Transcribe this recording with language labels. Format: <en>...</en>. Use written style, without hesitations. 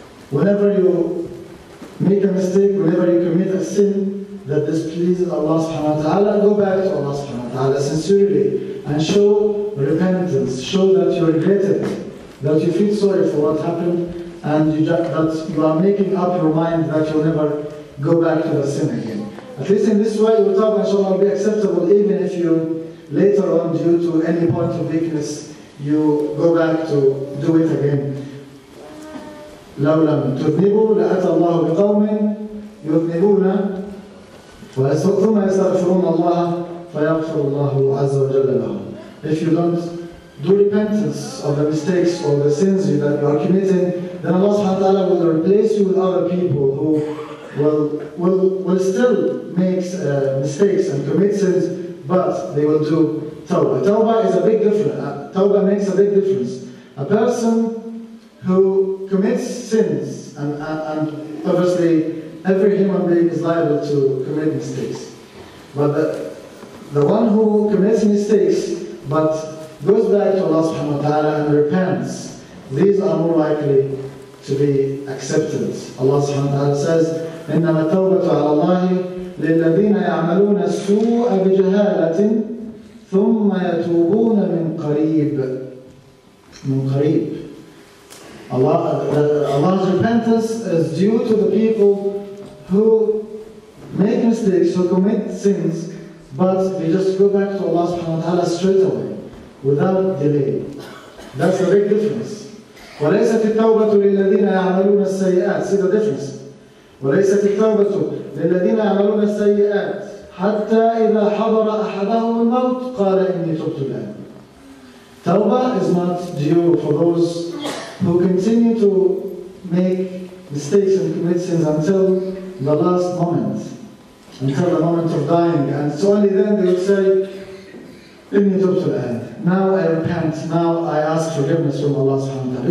<en>Whenever you make a mistake, whenever you commit a sin that displeases Allah subhanahu wa ta'ala, go back to Allah subhanahu wa ta'ala sincerely and show repentance, show that you regret it, that you feel sorry for what happened, and you are making up your mind that you'll never go back to the sin again. At least in this way, your tawbah, inshallah, will be acceptable, even if you, later on, due to any point of weakness, you go back to do it again.</en> <ar>لو لم تذنبوا لأتى الله بقوم يذنبون ثم يستغفرون الله فيغفر الله عز وجل لهم.</ar> <en>If you don't do repentance of the mistakes or the sins that you are committing, then Allah subhanahu wa ta'ala will replace you with other people who will still make mistakes and commit sins, but they will do tawbah. Tawbah makes a big difference. A person who commits sins, and obviously every human being is liable to commit mistakes, but the one who commits mistakes but goes back to Allah subhanahu wa ta'ala and repents, these are more likely to be accepted. Allah subhanahu wa ta'ala says,</en> <ar>إنما التوبة على الله للذين يعملون السوء بجهالة ثم يتوبون من قريب. من قريب.</ar> <en>Allah's repentance is due to the people who make mistakes, who commit sins, but they just go back to Allah subhanahu wa ta'ala straight away, without delay. That's the big difference.</en> <ar>وليست التوبة للذين يعملون السيئات.</ar> <en>See the difference.</en> <ar>وليست التوبة للذين يعملون السيئات حتى إذا حضر أحدهم الموت قال إني تبت الآن.</ar> <en>Tawbah is not due for those who continue to make mistakes and commit sins until the last moment, until the moment of dying. And so only then they would say,</en> <ar>إني تبت الآن.</ar> <en>Now I repent, now I ask forgiveness from Allah subhanahu wa ta'ala.</en>